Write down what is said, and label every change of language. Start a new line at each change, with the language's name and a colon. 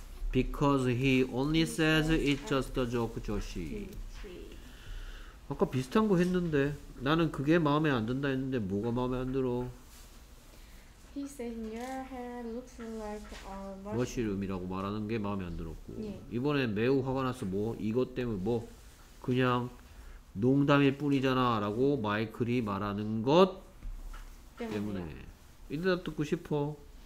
English: Because he only says it's just a joke, Joshi.
Korean: 아까 비슷한 거 했는데 나는 그게 마음에 안 든다 했는데 뭐가 마음에 안 들어?
English: He said your hair looks like a mushroom.
Korean: 머쉬룸이라고 말하는 게 마음에 안 들었고 이번엔 매우 화가 났어. 뭐 이것 때문에 뭐 그냥 농담일 뿐이잖아 라고 마이클이 말하는 것 때문에 이 대답 듣고 싶어.